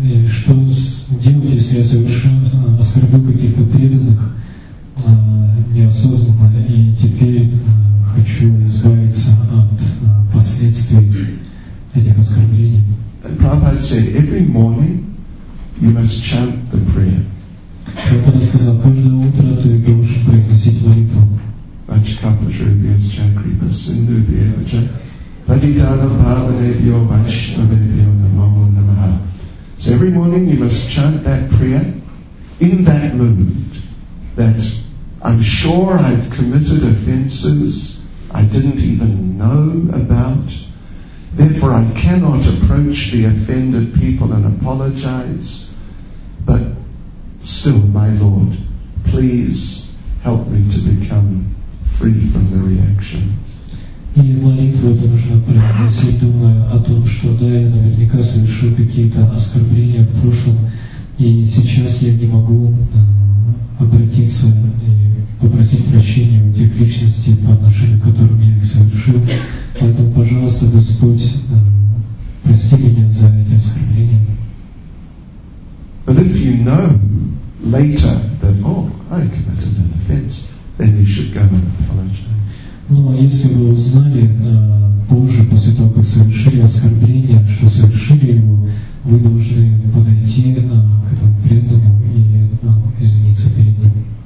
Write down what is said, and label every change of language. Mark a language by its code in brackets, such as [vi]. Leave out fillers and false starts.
[ru] Что делать, если я совершил, оскорбил каких-то преданных неосознанно, и теперь хочу избавиться от последствий этих оскорблений? [en] And Prabhupada said, every morning you must chant the prayer. [ru] Прабхупада сказал, каждое утро ты должен произносить молитву. [en] So every morning you must chant that prayer in that mood that I'm sure I've committed offenses I didn't even know about. Therefore I cannot approach the offended people and apologize. But still, my Lord, please help me to become free from the reaction. [ru] И молитву это нужно произносить, думая о том, что да, я наверняка совершил какие-то оскорбления в прошлом, и сейчас я не могу обратиться и попросить прощения у тех личностей, по отношению к которым я их совершил. Поэтому, пожалуйста, Господь, прости меня за эти оскорбления. [en] But if you know later that, I committed an offense, then you should go and apologize. [ru] Но если вы узнали позже, после того, как совершили оскорбление, что совершили его, вы должны подойти к этому преданному и извиниться перед ним.